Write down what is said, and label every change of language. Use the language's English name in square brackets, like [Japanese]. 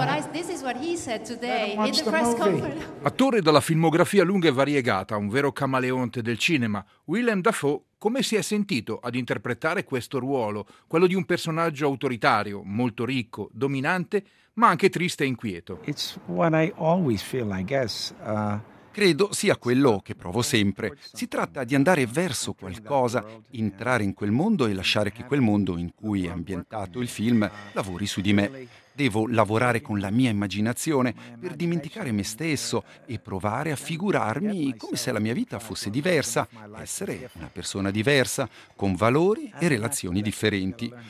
[English] This is what he said today in the press conference. [Italian] Attore dalla filmografia lunga e variegata, un vero camaleonte del cinema, Willem Dafoe, come si è sentito ad interpretare questo ruolo, quello di un personaggio autoritario, molto ricco, dominante, ma anche triste e inquieto? [English] It's what I always feel, I guess. [Italian] Credo sia quello che provo sempre. Si tratta di andare verso qualcosa, entrare in quel mondo e lasciare che quel mondo in cui è ambientato il film lavori su di me. Devo lavorare con la mia immaginazione per dimenticare me stesso e provare a figurarmi come se la mia vita fosse diversa, essere una persona diversa, con valori e relazioni differenti.